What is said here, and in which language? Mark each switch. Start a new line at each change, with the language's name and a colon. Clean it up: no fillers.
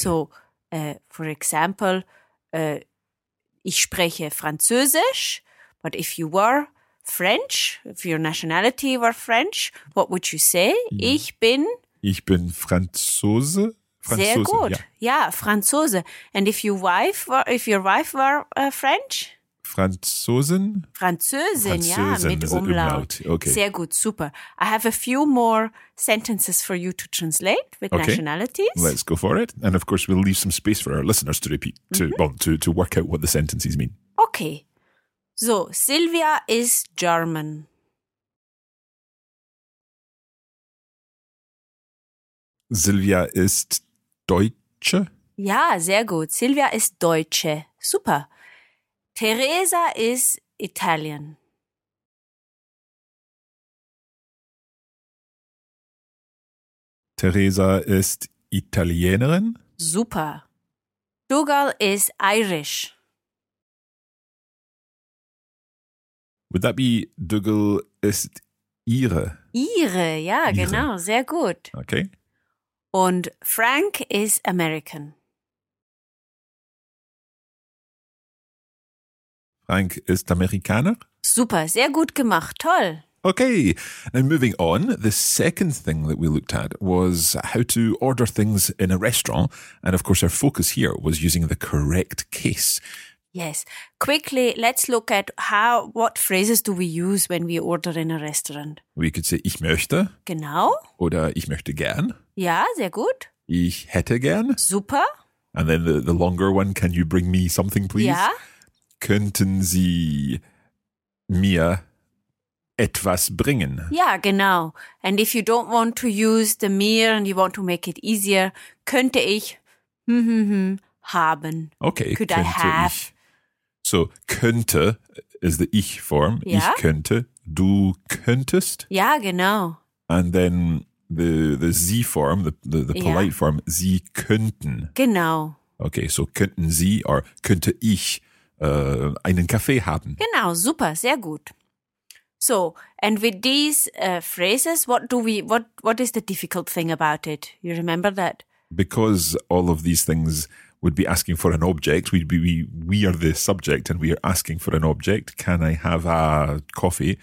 English: So, for example,
German: ich spreche Französisch,
English: but if you were French, if your nationality were French, what would you say?
German: Ich bin Franzose. Franzose. Sehr gut. Ja, Franzose.
English: And if your wife were French?
German: Französin. Französin, ja, mit Umlaut.
English: Okay.
German: Sehr gut, super.
English: I have a few more sentences for you to translate with nationalities. Let's go for it. And of course, we'll leave some space for our listeners to repeat, to work out what the sentences mean. Okay. So, Silvia is German.
German: Silvia ist Deutsche? Ja, sehr gut. Silvia ist Deutsche. Super.
English: Teresa is Italian.
German: Teresa ist Italienerin?
English: Super. Dougal is Irish. Would that be
German: Dougal ist ihre? Ihre, ja, ihre. Genau, sehr gut.
English: Okay. Und Frank is American.
German: Frank ist Amerikaner? Super, sehr gut gemacht, toll.
English: Okay, now moving on, the second thing that we looked at was how to order things in a restaurant. And of course, our focus here was using the correct case. Yes. Quickly, let's look at how what phrases do we use when we order in a restaurant. We could say,
German: ich möchte. Genau. Oder ich möchte gern. Ja, sehr gut. Ich hätte gern. Super.
English: And then the longer one, can you bring me something, please?
German: Ja. Könnten Sie mir etwas bringen? Ja, genau.
English: And if you don't want to use the mir and you want to make it easier,
German: könnte ich haben.
English: Okay. Could könnte I have? Ich. So, könnte is the ich form.
German: Ja. Ich könnte. Du könntest. Ja, genau.
English: And then the sie form, the polite ja.
German: form, sie könnten. Genau. Okay, so könnten sie or könnte ich einen Kaffee haben. Genau, super, sehr gut.
English: So, and with these phrases, what is the difficult thing about it? You remember that? Because all of these things would be asking for an object. We are the subject and we are asking for an object. Can I have a coffee?